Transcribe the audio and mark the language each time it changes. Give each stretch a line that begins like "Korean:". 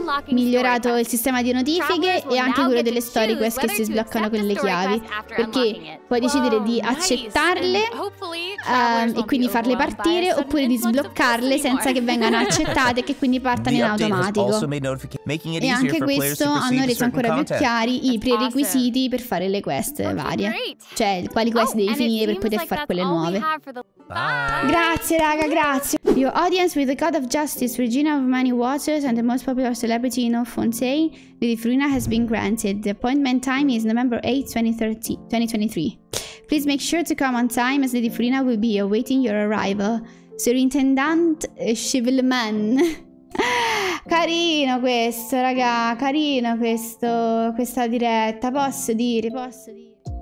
Italian: Migliorato il sistema di notifiche e anche quello delle story quest che si sbloccano con le chiavi, perché puoi decidere di accettarle e quindi farle partire, oppure di sbloccarle senza che vengano accettate e che quindi partano in automatico. E anche questo hanno reso ancora più chiari i prerequisiti per fare le quest varie, cioè quali quest devi finire per poter fare quelle nuove.
English: Bye.
Italian: Grazie raga, grazie.
English: Your audience with the God of Justice, Regina of Many Waters and the most popular celebrity in all Fontaine, Lady Furina has been granted. The appointment time is November 8, 2023. Please make sure to come on time as Lady Furina will be awaiting your arrival.
French: Surintendant Shivelman.
Italian: Carino questo, raga, carino questo, questa diretta, posso dire, posso dire.